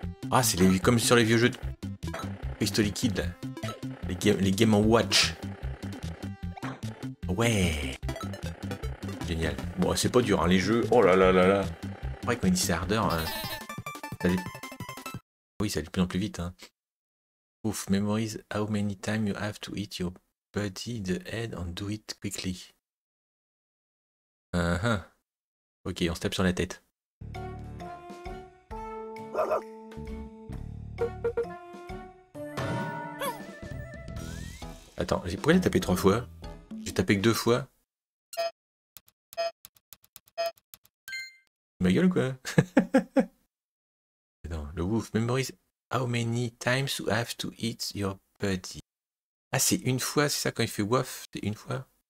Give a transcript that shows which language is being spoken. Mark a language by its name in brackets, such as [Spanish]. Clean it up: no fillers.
[French] Ah, c'est les, comme sur les vieux jeux de Crystal Liquid. Les Game & Watch. Ouais. Génial. Bon, c'est pas dur, hein, les jeux. Oh là là là là. C'est vrai qu'on dit c'est hardeur. Hein. Oui, ça va de plus en plus vite. Hein. [English] Ouf, memorize how many times you have to hit your buddy the head and do it quickly. [French] Ok, on se tape sur la tête. Attends, pourquoi j'ai tapé trois fois? J'ai tapé que deux fois. Ma gueule ou quoi? [English] Attends, le wolf memorize how many times you have to eat your buddy. [French] Ah, c'est une fois, c'est ça, quand il fait wolf, c'est une fois?